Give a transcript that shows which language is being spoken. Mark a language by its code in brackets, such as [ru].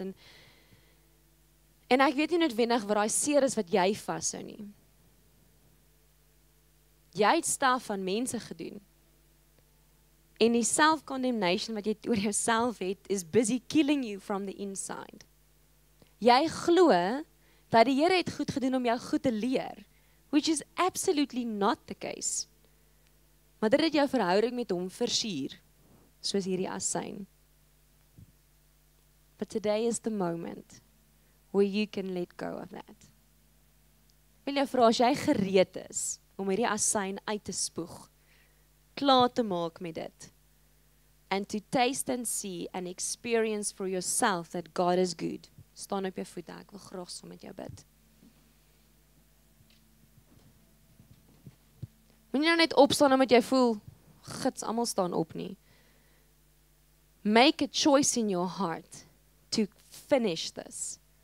[af] En ek weet nie noodwendig wat daai seer is wat jy vashou nie. Jy het staf van mense gedoen. En die self-condemnation wat jy oor jouself het, [en] is busy killing you from the inside. [af] Jy glo dat die Here het goed gedoen om jou goed te leer, [en] which is absolutely not the case. [af] Maar dit het jou verhouding met hom versuur, soos hierdie asyn. [en] But today is the moment where you can let go of that. [af] Ek wil jou vra, as jy gereed is, om hierdie asyn uit te spoeg, klaar te maak met dit, [en] and to taste and see and experience for yourself that God is good. [af] Staan op jou voet, ek wil graag saam met jou bid. Moenie nou net opstaan omdat jy voel, gits, almal staan op nie. [en] Make a choice in your heart to finish this.